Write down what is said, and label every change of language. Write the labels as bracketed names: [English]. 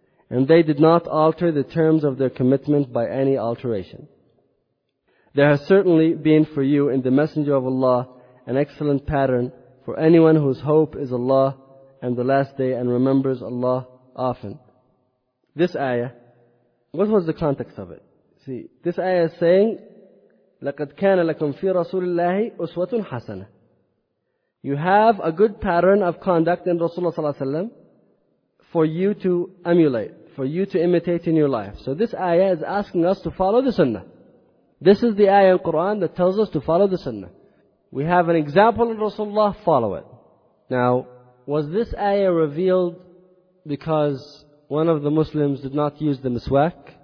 [English] And they did not alter the terms of their commitment by any alteration. There has certainly been for you in the Messenger of Allah an excellent pattern for anyone whose hope is Allah and the Last Day and remembers Allah often. This ayah, what was the context of it? See, this ayah is saying, [Arabic] لَقَدْ كَانَ لَكُمْ فِي رَسُولِ اللَّهِ أُسْوَةٌ حَسَنَةٌ. [English] You have a good pattern of conduct in Rasulullah ﷺ for you to emulate, for you to imitate in your life. So this ayah is asking us to follow the sunnah. This is the ayah in Quran that tells us to follow the sunnah. We have an example in Rasulullah, follow it. Now, was this ayah revealed because one of the Muslims did not use the miswak?